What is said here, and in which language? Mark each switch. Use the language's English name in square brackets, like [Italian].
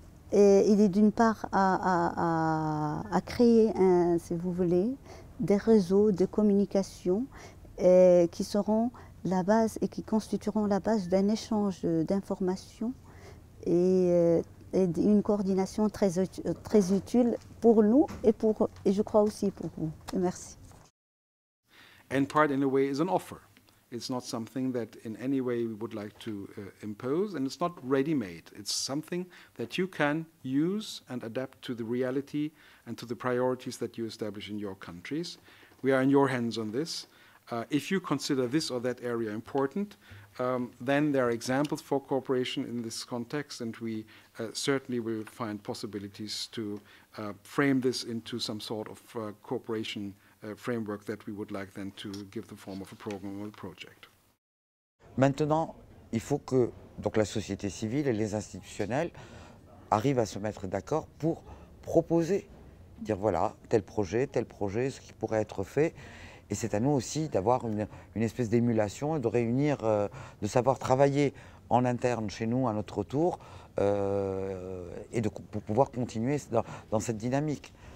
[French] est d'une part à créer, si vous voulez, des réseaux de communication qui seront la base et qui constitueront la base d'un échange d'informations et d'une coordination très, très utile pour nous et je crois aussi pour vous. Merci. [English] NPARDRE, in a way, is an offer. It's not something that in any way we would like to impose, and it's not ready-made. It's something that you can use and adapt to the reality and to the priorities that you establish in your countries. We are in your hands on this. If you consider this or that area important, then there are examples for cooperation in this context, and we certainly will find possibilities to frame this into some sort of cooperation framework that we would like then to give the form of a program or a project. [French] Maintenant, il faut que donc la société civile et les institutionnels arrivent à se mettre d'accord pour proposer, dire voilà, tel projet, ce qui pourrait être fait. Et c'est à nous aussi d'avoir une espèce d'émulation et de réunir, de savoir travailler en interne chez nous, à notre tour, et pour pouvoir continuer dans cette dynamique.